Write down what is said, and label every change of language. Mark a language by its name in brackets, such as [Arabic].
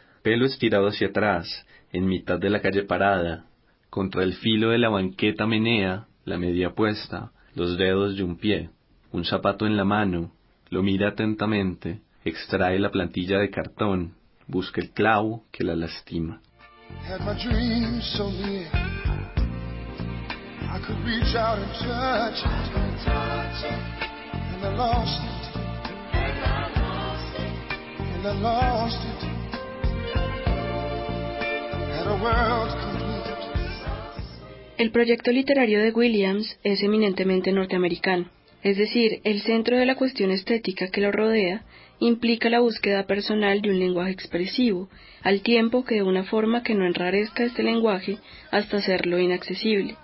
[Spanish] Pelo estirado hacia atrás, en mitad de la calle parada. Contra el filo de la banqueta menea, la media puesta, los dedos de un pie. Un zapato en la mano, lo mira atentamente, extrae la plantilla de cartón, busca el clavo que la lastima. [English] Had my dreams so near. I could reach out and touch it, and I lost it, and I lost it, and a world complete. [Spanish] El proyecto literario de Williams es eminentemente norteamericano. es decir, el centro de la cuestión estética que lo rodea, implica la búsqueda personal de un lenguaje expresivo, al tiempo que de una forma que no enrarezca este lenguaje hasta hacerlo inaccesible.